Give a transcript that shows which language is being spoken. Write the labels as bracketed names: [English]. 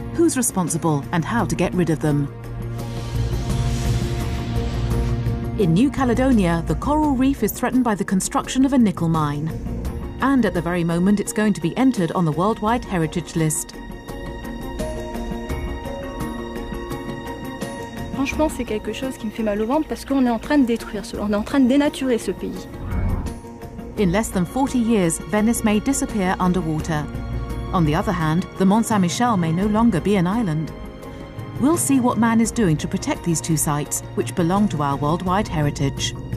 [English] Who's responsible and how to get rid of them? In New Caledonia, the coral reef is threatened by the construction of a nickel mine. And at the very moment, it's going to be entered on the Worldwide Heritage List. [French] Franchement, c'est quelque chose qui me fait mal au ventre parce qu'on est en train de détruire ce, on est en train de dénaturer ce pays. [English] In less than 40 years, Venice may disappear underwater. On the other hand, the Mont Saint-Michel may no longer be an island. We'll see what man is doing to protect these two sites, which belong to our worldwide heritage.